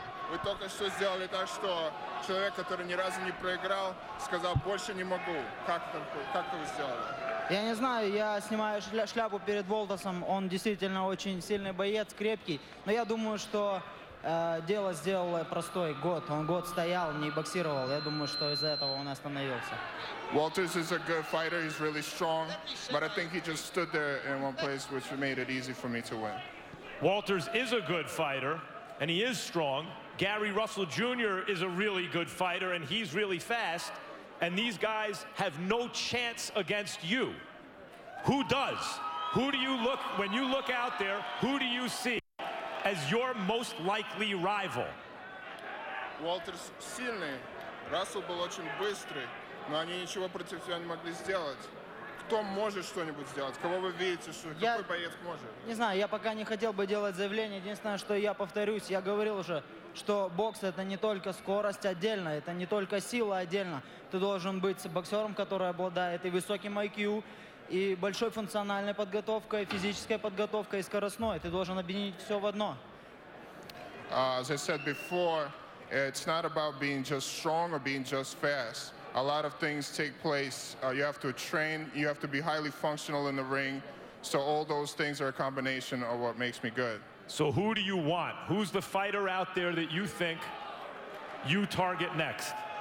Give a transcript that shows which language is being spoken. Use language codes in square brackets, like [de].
[ru] Вы только что сделали так, что человек, который ни разу не проиграл, сказал, больше не могу. Как вы сделали? Я не знаю, я снимаю шляпу перед Волтосом. Он действительно очень сильный боец, крепкий. Но я думаю, что дело сделал простой год. Он год стоял, не боксировал. Я думаю, что из-за этого он остановился. [en] Walters is a good fighter, he's really strong. But I think he just stood there in one place, which made it easy for me to win. Walters is a good fighter, and he is strong. Gary Russell Jr. is a really good fighter, and he's really fast. And these guys have no chance against you. Who does? Who do you look, when you look out there, who do you see as your most likely rival? [ru] Walters сильный. Russell был очень быстрый, но они ничего против тебя не могли сделать. Кто может что-нибудь сделать? Кого вы видите, что какой боец может? Не знаю, я пока не хотел бы делать заявление. Единственное, что я повторюсь, я говорил уже, что бокс это не только скорость отдельно, это не только сила отдельно. Ты должен быть боксером, который обладает и высоким IQ, и большой функциональной подготовкой, физической подготовкой, и скоростной. Ты должен объединить все в одно. [en] As I said before, it's not about being just strong or being just fast. A lot of things take place. You have to train, you have to be highly functional in the ring. So all those things are a combination of what makes me good. So who do you want? Who's the fighter out there that you think you target next?